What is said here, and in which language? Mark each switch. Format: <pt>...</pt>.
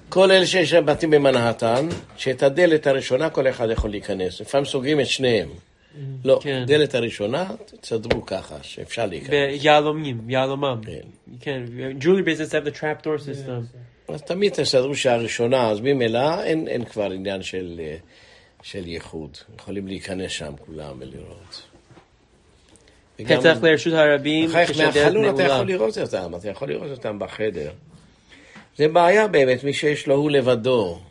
<he>כל אלה שיש בתים במנהטן, שאת הדלת הראשונה כל אחד יכול להיכנס. לפעמים סוגרים את שניהם. לא, דלת הראשונה, תסדרו ככה, שאפשר להיכנס. ביהלומים, ביהלומם. כן.</he> <en>Jewelry business have the trap door system.</en> <he>אז תמיד תסדרו שהראשונה, אז ממילא, אין כבר עניין של ייחוד. יכולים להיכנס שם כולם ולראות. פתח לרשות הרבים. מהחלון אתה יכול לראות אותם, אתה יכול לראות אותם בחדר. זה בעיה באמת, מי שיש לו, הוא לבדו.</he>